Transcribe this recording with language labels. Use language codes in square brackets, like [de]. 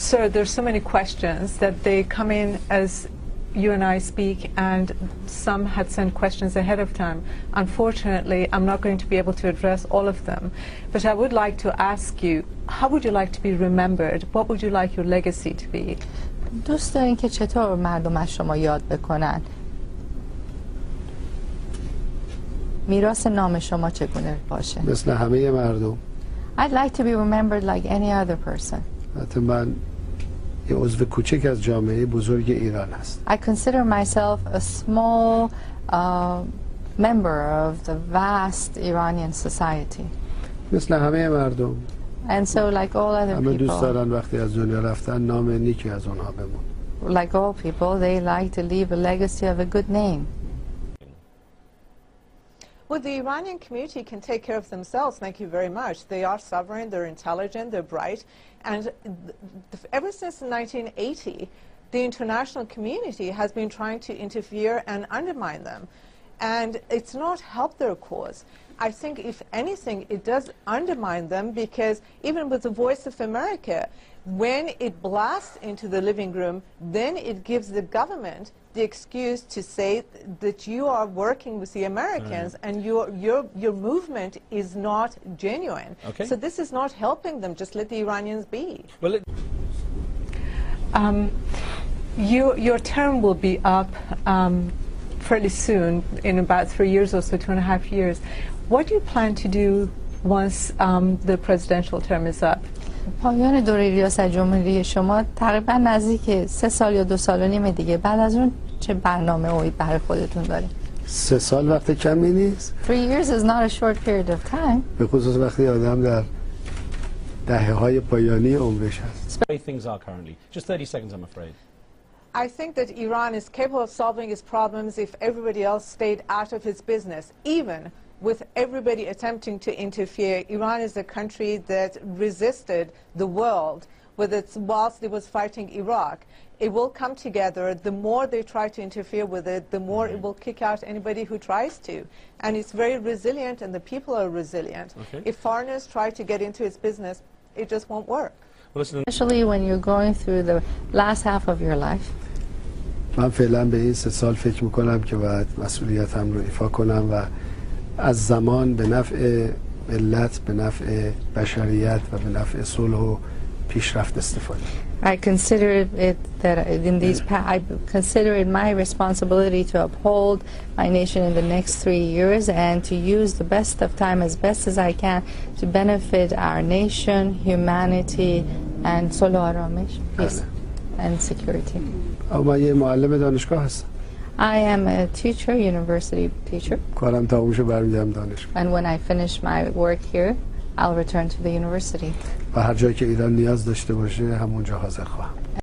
[en] Sir, there's so many questions that they come in as you and I speak, and some had sent questions ahead of time. Unfortunately, I'm not going to be able to address all of them. But I would like to ask you, how would you like to be remembered? What would you like your legacy to be? [fa] دوست دارین که چطور مردم از شما یاد بکنن؟ میراث نام شما چگونه باشه؟ مثل همه مردم. [en] I'd like to be remembered like any other person. [fa] من یه عضو کوچک از جامعه بزرگ ایران هست. [en] I consider myself a small member of the vast Iranian society. [fa] مثل همه مردم. [en] And so like all other people. [fa] همه دوست دارن وقتی از دنیا رفتن نام نیکی از اونها بمون. [en] Like all people, they like to leave a legacy of a good name. Well, the Iranian community can take care of themselves. Thank you very much. They are sovereign, they're intelligent, they're bright. And ever since 1980, the international community has been trying to interfere and undermine them. And it's not helped their cause. I think, if anything, it does undermine them, because even with the Voice of America, when it blasts into the living room, then it gives the government the excuse to say that you are working with the Americans and your movement is not genuine. Okay. So this is not helping them. Just let the Iranians be. Well, your term will be up fairly soon, in about 3 years or so, 2.5 years. What do you plan to do once the presidential term is up? [fa] پایان دوره ریاست جمهوری شما تقریبا نزدیک 3 سال یا 2.5 سال دیگه، بعد از اون چه برنامه ای برای خودتون داری؟ 3 سال وقت کمی نیست. [en] 3 years is not a short period of time. [fa] به خصوص وقتی آدم در دهه های پایانی عمرش هست. [en] Three things are currently. Just 30 seconds, I'm afraid. I think that Iran is capable of solving its problems if everybody else stayed out of its business, even with everybody attempting to interfere. Iran is a country that resisted the world whilst it was fighting Iraq. It will come together. The more they try to interfere with it, the more it will kick out anybody who tries to. And it's very resilient, and the people are resilient. Okay. If foreigners try to get into its business, it just won't work. Listen. Especially when you're going through the last half of your life. [fa] من فعلا به این 3 سال فکر میکنم که باید مسئولیتم رو ایفا کنم و از زمان به نفع ملت، به نفع بشریت و به نفع صلح و پیشرفت استفاده. [en] I consider it that in these I consider it my responsibility to uphold my nation in the next 3 years and to use the best of time as best as I can to benefit our nation, humanity, and [fa] solo aramish, [en] peace and security. [fa] اما یه معلم دانشگاه هستم. [en] I am a teacher, university teacher. [fa] کارم تموم شد برمیگردم دانشگاه. [en] And when I finish my work here, I'll return to the university. [fa] و هر جایی که ایران نیاز داشته باشه همونجا حاضر خواهم.